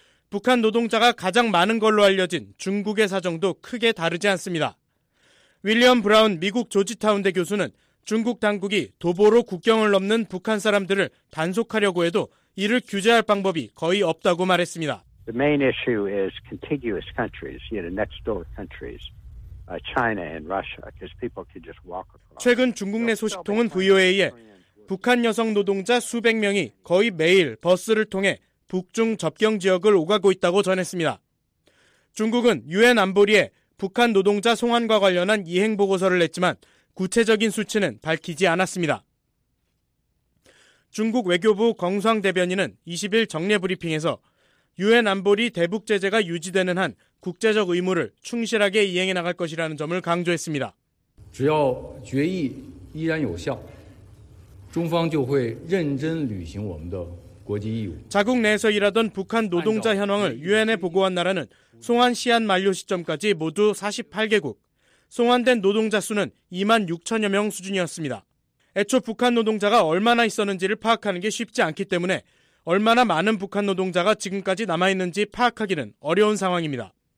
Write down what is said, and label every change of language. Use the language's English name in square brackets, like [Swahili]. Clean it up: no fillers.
[Korean] 북한 노동자가 가장 많은 걸로 알려진 중국의 사정도 크게 다르지 않습니다. 윌리엄 브라운 미국 조지타운대 교수는 중국 당국이 도보로 국경을 넘는 북한 사람들을 단속하려고 해도 이를 규제할 방법이 거의 없다고 말했습니다. [English] The main issue is contiguous countries, you know, next door countries, China and Russia, because people can just walk across. [Korean] 최근 중국 내 소식통은 VOA에 북한 여성 노동자 수백 명이 거의 매일 버스를 통해 북중 접경 지역을 오가고 있다고 전했습니다. 중국은 유엔 안보리에 북한 노동자 송환과 관련한 이행 보고서를 냈지만 구체적인 수치는 밝히지 않았습니다. 중국 외교부 경수항 대변인은 20일 정례 브리핑에서 유엔 안보리 대북 제재가 유지되는 한 국제적 의무를 충실하게 이행해 나갈 것이라는 점을 강조했습니다. [Chinese] 只要决议依然有效，中方就会认真履行我们的国际义务。 [Korean] 자국 내에서 일하던 북한 노동자 현황을 유엔에 보고한 나라는 송환 시한 만료 시점까지 모두 48개국. 송환된 노동자 수는 2만 6천여 명 수준이었습니다. 애초 북한 노동자가 얼마나 있었는지를 파악하는 게 쉽지 않기 때문에 얼마나 많은 북한 노동자가 지금까지 남아있는지 파악하기는 어려운 상황입니다.